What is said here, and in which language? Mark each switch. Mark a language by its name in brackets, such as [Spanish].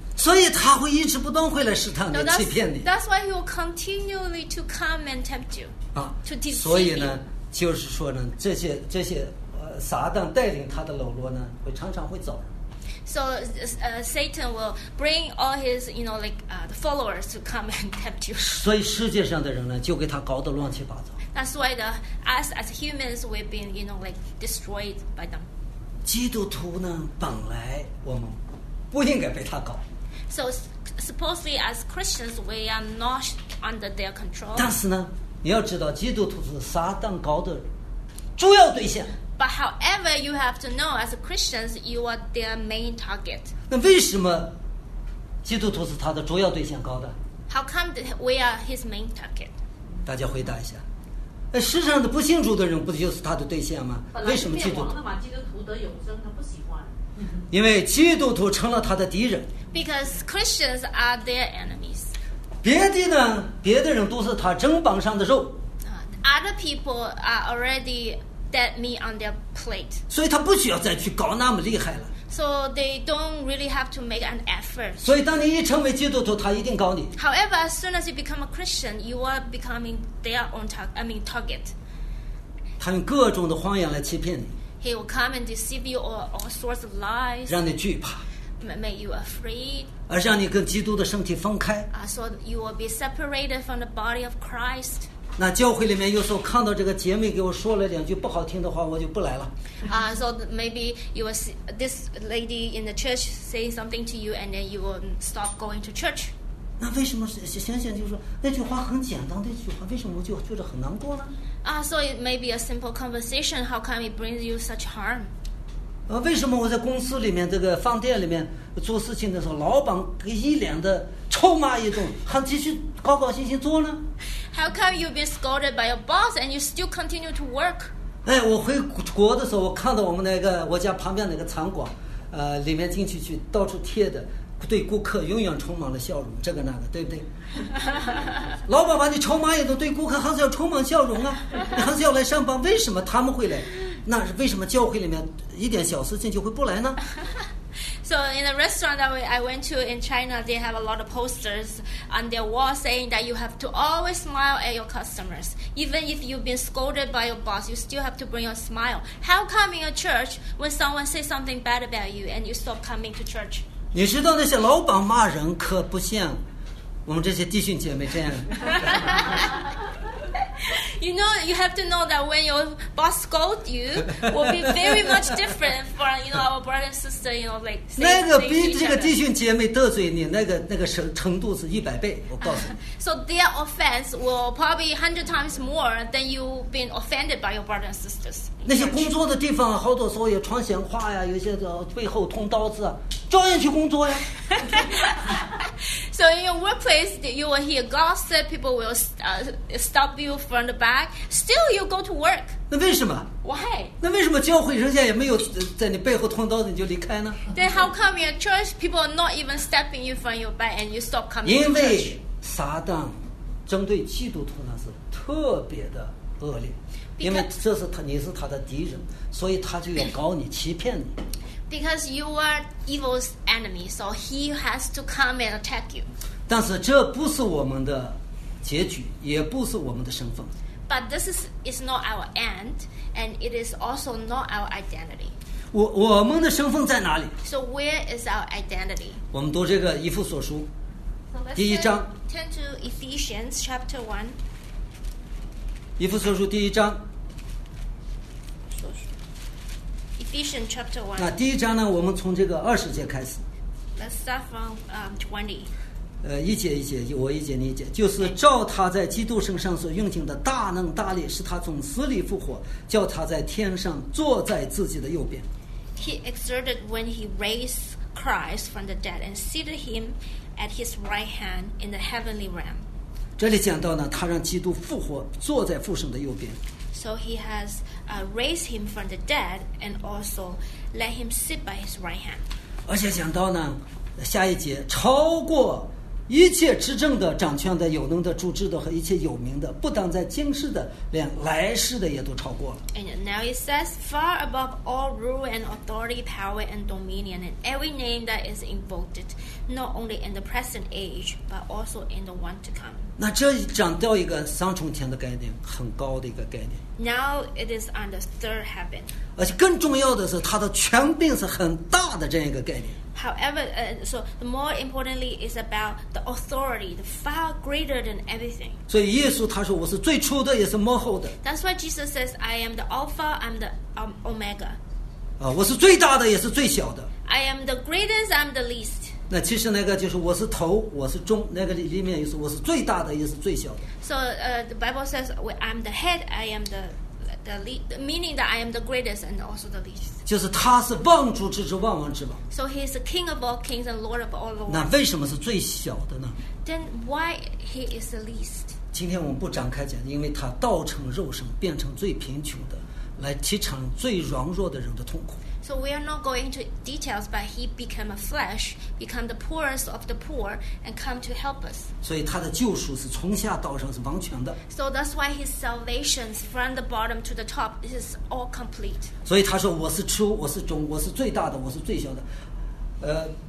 [Chinese] 所以他会一直不断会来试探你，欺骗你。 [English] That's why he will continually to come and tempt you. 啊，to deceive you. [Chinese] 所以呢，就是说呢，这些。撒旦带领他的喽啰呢，会常常会走。 [English] So, Satan will bring all his, you know, like the followers to come and tempt you. [Chinese] 所以世界上的人呢，就给他搞得乱七八糟。 [English] That's why us as humans we've been, you know, like destroyed by them. [Chinese] 基督徒呢，本来我们不应该被他搞。 [English] So, supposedly as Christians we are not under their control. [Chinese] 但是呢，你要知道，基督徒是撒旦搞的主要对象。 [English] But however, you have to know, as Christians, you are their main target. [Chinese] 那为什么基督徒是他的主要对象高的 [English] ？How come that we are his main target? [Chinese] 大家回答一下。哎，世上的不信主的人不就是他的对象吗？为什么基督徒？本来灭亡的嘛，基督徒得永生，他不喜欢。因为基督徒成了他的敌人。 [English] Because Christians are their enemies. [Chinese] 别的呢？别的人都是他砧板上的肉。 [English] Other people are already. That meat on their plate. [Chinese] 所以他不需要再去搞那么厉害了。 [English] So they don't really have to make an effort. [Chinese] 所以当你一成为基督徒，他一定搞你。 [English] However, as soon as you become a Christian, you are becoming their own target. [Chinese] 他用各种的谎言来欺骗你。 [English] He will come and deceive you all sorts of lies. [Chinese] 让你惧怕。 [English] Make you afraid. [Chinese] 而让你跟基督的身体分开。 [English] So you will be separated from the body of Christ. [Chinese] 那教会里面有时候看到这个姐妹给我说了两句不好听的话，我就不来了。 [English] So maybe you will see this lady in the church say something to you, and then you will stop going to church. [Chinese] 那为什么想想就是说那句话很简单的一句话，为什么我就觉得很难过呢？ [English] So it may be a simple conversation. How come it brings you such harm? [Chinese] 为什么我在公司里面这个饭店里面做事情的时候，老板给一脸的臭骂一顿，还继续高高兴兴做呢？ [English] How come you've been scolded by your boss and you still continue to work? [Chinese] 哎，我回国的时候，我看到我们那个我家旁边那个餐馆，里面进去去到处贴的，对顾客永远充满了笑容，这个那个，对不对？老板把你臭骂一顿，对顾客还是要充满笑容啊，你还是要来上班。为什么他们会来？那是为什么教会里面一点小事情就会不来呢？ [English] So in a restaurant that I went to in China, they have a lot of posters on their wall saying that you have to always smile at your customers. Even if you've been scolded by your boss, you still have to bring a smile. How come in a church when someone says something bad about you and you stop coming to church? [Chinese] 你知道那些老板骂人可不像我们这些弟兄姐妹这样。 [English] You know, you have to know that when your boss scold you, will be very much different from, you know, our brother and sister, you know, like, saying, [Chinese] 那个比这个弟兄姐妹得罪你，那个程度是100倍，我告诉你。 [English] So their offense will probably 100 times more than you being offended by your brother and sisters. [Chinese] 那些工作的地方好多时候有传闲话呀，有些背后捅刀子啊，照样去工作呀。 [English] So in your workplace, you will hear gossip, people will stop you from the back. Still, you go to work. [Chinese] 那为什么？ [English] Why? [Chinese] 那为什么教会人家也没有在你背后捅刀子你就离开呢？ [English] Then how come in your church, people are not even stepping you from your back and you stop coming to church? [Chinese] 因为撒旦针对基督徒呢是特别的恶劣。 [English] Because、 [Chinese] 因为这是他，你是他的敌人，所以他就要搞你，欺骗你。 [English] Because you are evil's enemy, so he has to come and attack you. [Chinese] 但是这不是我们的结局，也不是我们的身份。 [English] But this is not our end, and it is also not our identity. [Chinese] 我们的身份在哪里？ [English] So where is our identity? [Chinese] 我们读这个以弗所书第一章。 [English] Turn to Ephesians chapter 1. [Chinese] 以弗所书第一章。 [English] Ephesians chapter 1. [Chinese] 那第一章呢，我们从这个二十节开始。 [English] Let's start from 20. [Chinese] 一节一节，我一节你一节，就是照他在基督身上所运行的大能大力，使他从死里复活，叫他在天上坐在自己的右边。 [English] He exerted when he raised Christ from the dead and seated him at his right hand in the heavenly realm. [Chinese] 这里讲到呢，他让基督复活，坐在父神的右边。 [English] So he has raised him from the dead and also let him sit by his right hand. [Chinese] 而且讲到呢，下一节超过一切执政的、掌权的、有能的、主治的和一切有名的，不但在今世的，连来世的也都超过了。 [English] And now it says, far above all rule and authority, power and dominion, and every name that is invoked, not only in the present age, but also in the one to come. [Chinese] 那这讲到一个三重天的概念，很高的一个概念。 [English] Now it is on the third heaven. [Chinese] 而且更重要的是，它的权柄是很大的这样一个概念。 [English] However, so the more importantly is about the authority, the far greater than everything. [Chinese] 所以耶稣他说我是最初的，也是末后的。 [English] That's why Jesus says, I am the Alpha, I'm the Omega. [Chinese] 我是最大的，也是最小的。 [English] I am the greatest, I'm the least. [Chinese] 那其实那个就是我是头，我是中，那个里面也是我是最大的，也是最小的。 [English] So the Bible says, I'm the head, I am the meaning that I am the greatest and also the least. [Chinese] 就是他是万主之主，万王之王。 [English] So he is the king of all kings and lord of all lords. [Chinese] 那为什么是最小的呢？ [English] Then why he is the least? [Chinese] 今天我们不展开讲，因为他道成肉身，变成最贫穷的，来体尝最软弱的人的痛苦。 [English] So we are not going into details, but he became a flesh, became the poorest of the poor, and come to help us. [Chinese] 所以他的救赎是从下到上是完全的。 [English] So that's why his salvation from the bottom to the top, this is all complete. [Chinese] 所以他说我是初，我是中，我是最大的，我是最小的。